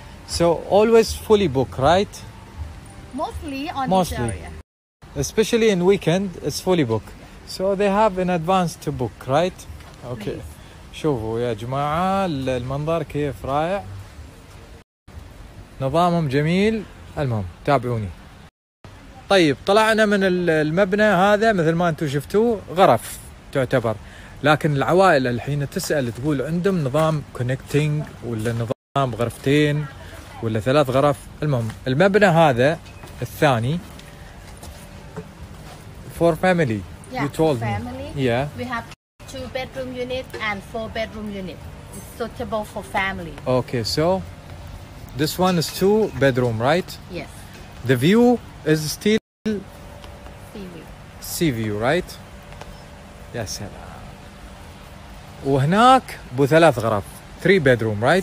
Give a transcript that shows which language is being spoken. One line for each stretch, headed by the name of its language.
English: So always fully booked, right? Mostly on this area. Especially in weekend, it's fully booked. So they have in advance to book, right? Okay.
Arabic: شوفوا يا جماعة المنظر كيف رائع. نظامهم جميل. المهم تابعوني. طيب طلعنا من المبنى هذا، مثل ما انتم شفتوا غرف تعتبر، لكن العوائل الحين تسأل تقول عندهم نظام كونكتينج ولا نظام غرفتين ولا 3 غرف. المهم المبنى هذا الثاني
English: for family. Yeah, you told family. Me. Yeah. We have 2-bedroom unit and 4-bedroom unit. It's suitable for family. Okay, so this one is 2-bedroom, right? Yes. The view is still sea view. Sea view, right?
Arabic: يا سلام. وهناك بو 3 غرف.
English: 3-bedroom, right?